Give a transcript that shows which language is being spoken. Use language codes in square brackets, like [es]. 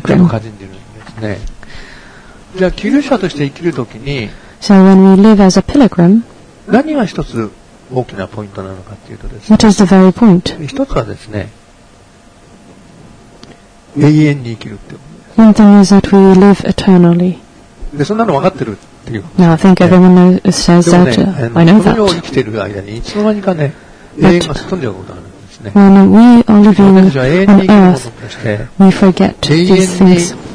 [ja] でも感じているんですね。じゃあ希留者として生きるときに [en] So when we live as a pilgrim [ja] 何が一つ大きなポイントなのかというとですね。 [en] What is the very point? [ja] 一つはですね、永遠に生きるってことです。 [en] One thing is that we live eternally. [ja] で、そんなの分かってるっていう。 [en] Now I think everyone says that. I know that. [ja] この世を生きている間にいつの間にかね、永遠が吹っ飛んじゃうことがあるんですね。 [en] When we are living on earth, we forget these things.